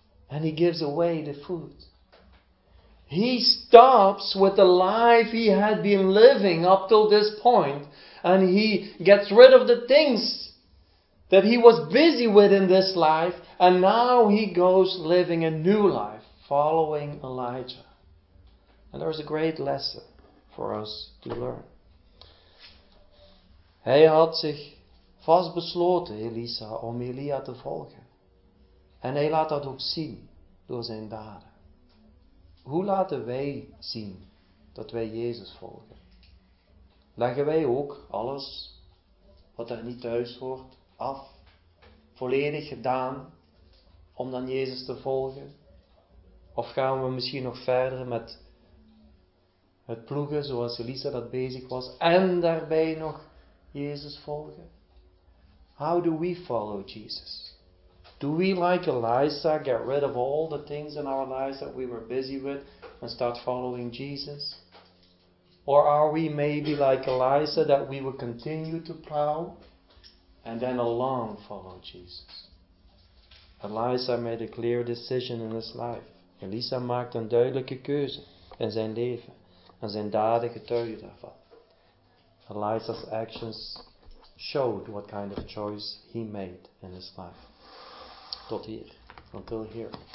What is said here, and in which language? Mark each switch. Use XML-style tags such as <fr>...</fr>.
<en>And he gives away the food. He stops with the life he had been living up till this point. And he gets rid of the things that he was busy with in this life. And now he goes living a new life, following Elijah. And there is a great lesson for us to learn.</en> <nl>Hij had zich vast besloten, Elisa, om Elia te volgen. En hij laat dat ook zien door zijn daden. Hoe laten wij zien dat wij Jezus volgen? Leggen wij ook alles wat er niet thuis hoort af, volledig gedaan om dan Jezus te volgen? Of gaan we misschien nog verder met het ploegen zoals Elisa dat bezig was en daarbij nog Jezus volgen?</nl> <en>How do we follow Jesus? Do we, like Elisa, get rid of all the things in our lives that we were busy with and start following Jesus? Or are we maybe like Elisa, that we will continue to plow and then alone follow Jesus? Elisa made a clear decision in his life.</en> <nl>Elisa maakte een duidelijke keuze in zijn leven. En zijn daden getuigen daarvan.</nl> <en>Elisa's actions showed what kind of choice he made in his life.</en> <nl>Tot hier.</nl> <en>Until here.</en>